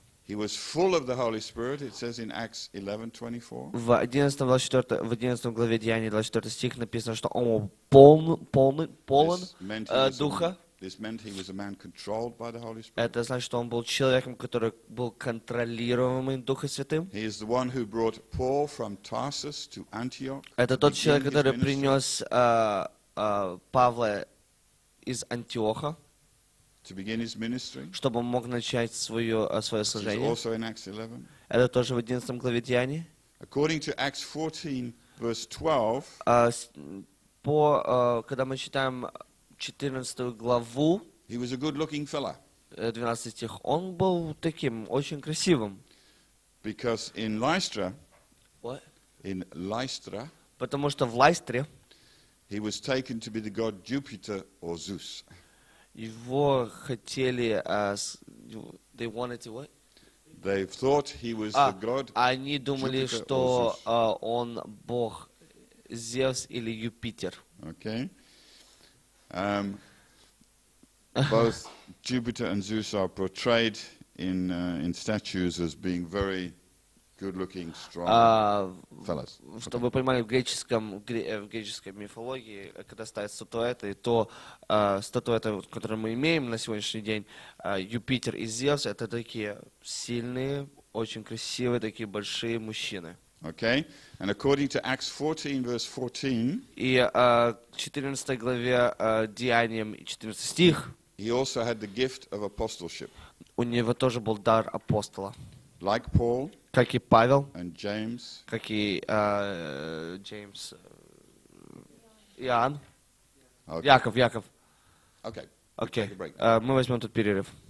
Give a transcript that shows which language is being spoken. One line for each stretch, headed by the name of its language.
English: He was full of the Holy Spirit, it says in Acts 11:24.
Russian: В 11 главе Деяний 24 стих написано, что он был полон духа.
English: This meant he was a man controlled by the Holy Spirit.
Russian: Это значит, что он был человеком, который был контролируемым Духом Святым.
English: He is the one who brought Paul from Tarsus to Antioch.
Russian: Это тот человек, который принес Павла из Антиоха.
English: To begin his ministry.
Russian: Чтобы он мог начать свое служение.
English: Also in Acts 11.
Russian: Это тоже в 11 главе Деяний.
English: According to Acts 14, verse 12.
Russian: Когда мы читаем 14 главу.
English: He was a good-looking fella.
Russian: 12 стих. Он был таким очень красивым.
English: Because in Lystra. What? In Lystra.
Russian: Потому что в Лайстре.
English: He was taken to be the god Jupiter or Zeus.
Russian: Его хотели.
English: They wanted to what? They thought he was the god.
Russian: Они думали, что он бог Зевс или Юпитер.
English: Okay. Both Jupiter and Zeus are portrayed in statues as being very good-looking, strong fellows.
Russian: Чтобы понимали в греческой мифологии, когда ставят статуэты, то статуэты, которые мы имеем на сегодняшний день, Юпитер и Зевс, это такие сильные, очень красивые, такие большие мужчины.
English: Okay, and according to Acts 14, verse 14.
Russian: И 14 главе Деяниям 14 стих.
English: He also had the gift of apostleship.
Russian: У него тоже был дар апостола.
English: Like Paul.
Russian: Как и Павел.
English: And James.
Russian: Как и James. Иоанн. Okay. Яков. Okay. Okay. Мы возьмем тут перерыв.